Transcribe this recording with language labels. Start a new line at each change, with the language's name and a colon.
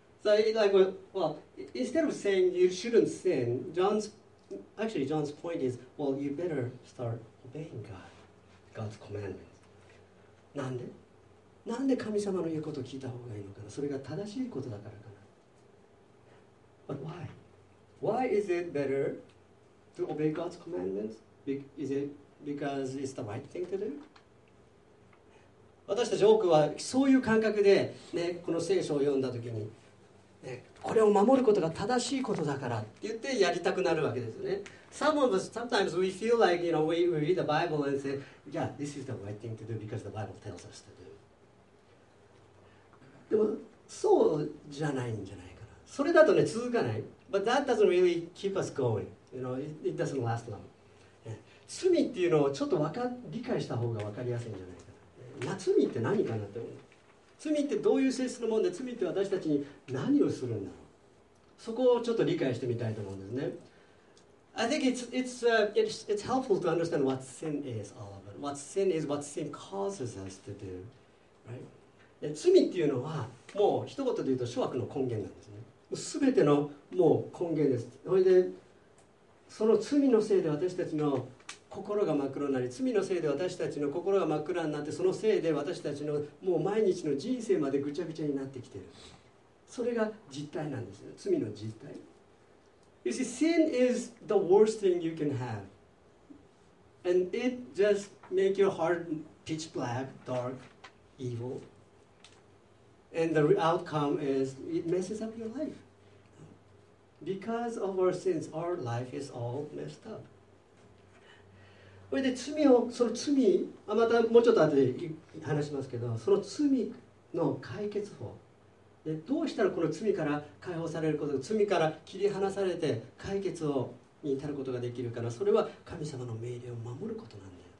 English: So, like, well, instead of saying you shouldn't sin, John's point is, well, you better start obeying God's commandments.
Japanese: なんで神様の言うことを聞いた方がいいのかな、それが正しいことだからかな。
English: But why is it better to obey God's commandments? Because it's the right thing to do?
Japanese: 私たち多くはそういう感覚で、ね、この聖書を読んだときに、ね、これを守ることが正しいことだからって言ってやりたくなるわけですね。
English: Sometimes we feel like, you know, we read the Bible and say, yeah, this is the right thing to do because the Bible tells us to do.
Japanese: でもそうじゃないんじゃないかな。それだとね、続かない。
English: But that doesn't really keep us going. You know, it doesn't last long.
Japanese: 罪っていうのをちょっと理解した方が分かりやすいんじゃないかな。罪って何かなって思う。罪ってどういう性質のもんで、罪って私たちに何をするんだろう。そこをちょっと理解してみたいと思うんですね。
English: I think it's helpful to understand what sin is all about. What sin is, what sin causes us to do. Right?
Japanese: 罪っていうのは、もう一言で言うと、諸悪の根源なんですね。すべてのもう根源です。それで、その罪のせいで私たちの心が真っ黒になり、罪のせいで私たちの心が真っ暗になって、そのせいで私たちのもう毎日の人生までぐちゃぐちゃになってきている。それが実態なんですよ。罪の実態。
English: You see, sin is the worst thing you can have. And it just makes your heart pitch black, dark, evil. And the outcome is it messes up your life. Because of our sins, our life is all messed up.
Japanese: それで罪を、その罪、またもうちょっと後で話しますけど、その罪の解決法で、どうしたらこの罪から解放されることが、罪から切り離されて解決に至ることができるかな、それは神様の命令を守ることなんだよ。